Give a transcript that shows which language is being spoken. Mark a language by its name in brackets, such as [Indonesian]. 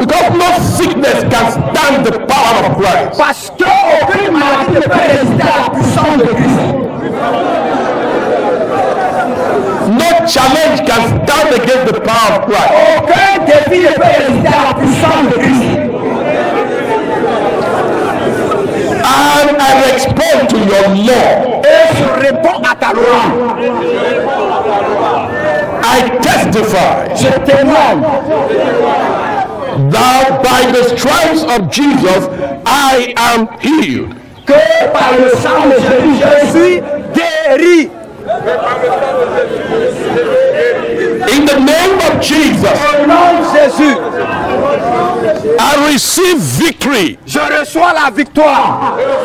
[English] because no sickness can stand the power of Christ. [French] Parce que aucune maladie ne peut résister à la puissance de Christ. [English] No challenge can stand against the power of Christ. [French] Aucun défi ne peut résister à la puissance de Christ. [English] And I respond to your law. [French] Et je réponds à ta loi. [English] I testify. [French] Je témoigne. [English] That by the stripes of Jesus, I am healed. [French] Que par le sang de Jésus, je suis guéri. [English] In the name of Jesus, [French] au nom de Jésus, [English] I receive victory. [French] Je reçois la victoire.